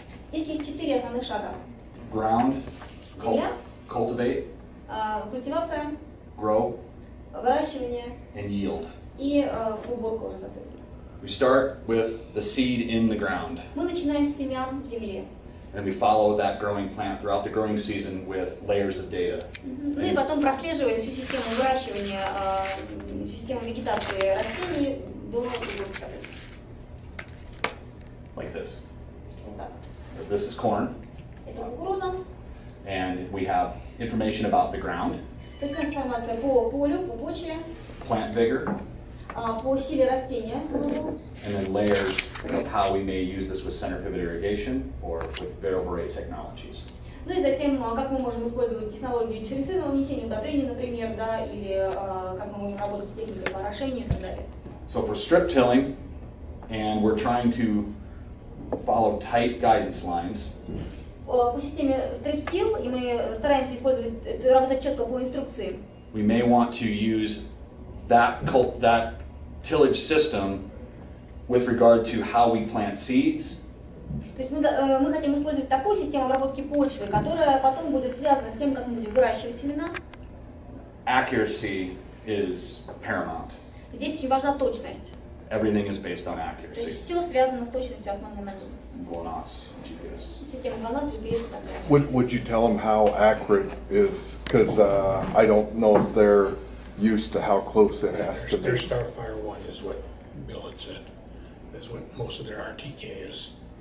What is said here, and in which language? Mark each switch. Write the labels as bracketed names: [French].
[Russian] Здесь есть четыре основных шага. [English] Ground, cultivate. [Russian] Культивация. [English] Grow. [Russian] Выращивание. [English] And yield. [Russian] И уборку, соответственно. [English] We start with the seed in the ground. [Russian] Мы начинаем с семян в земле. [English] And we follow that growing plant throughout the growing season with layers of data. [Russian] Ну и потом прослеживаем всю систему выращивания, всю систему вегетации растений до уборки, соответственно. [English] Like this. [Russian] Вот так. [English] This is corn. [Russian] Это кукуруза. [English] And we have information about the ground. [Russian] То есть информация по полю, по почве. [English] Plant vigor. [Russian] По силе растения. [English] And then layers of how we may use this with center pivot irrigation or with variable rate technologies. [Russian] Ну и затем, как мы можем использовать технологию дифференцированного внесения удобрений, например, да, или как мы можем работать с техникой порошения и так далее. [English] So for strip tilling, and we're trying to follow tight guidance lines. [Russian] По системе стриптил, и мы стараемся использовать, работать четко по инструкции. [English] We may want to use that tillage system with regard to how we plant seeds. [Russian] То есть мы хотим использовать такую систему обработки почвы, которая потом будет связана с тем, как мы будем выращивать семена. [English] Accuracy is paramount. [Russian] Здесь очень важна точность. [English] Everything is based on accuracy. [Russian] То есть все связано с точностью, основанной на ней. [English] GLONASS, [Russian] GPS. Система GLONASS, GPS. [English] Would you tell them how accurate is, because I don't know if they're used to how close it has to be. Their Starfire 1 is what Bill had said, is what most of their RTK is.